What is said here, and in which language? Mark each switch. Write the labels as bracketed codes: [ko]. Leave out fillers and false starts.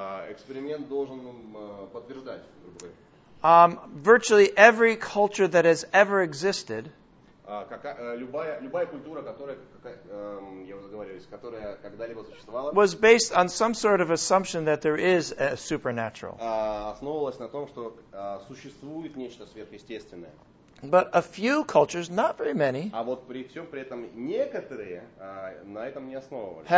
[ru] Эксперимент должен подтверждать, грубо говоря. [en] Virtually every culture that has ever existed. [ru] Любая культура, которая, я уже говорил, которая когда-либо существовала, [en] was based on some sort of assumption that there is a supernatural. [ru] Основывалась на том, что существует нечто сверхъестественное. [en] But a few cultures, not very many, [ru] а вот при всем при этом некоторые на этом не основывались.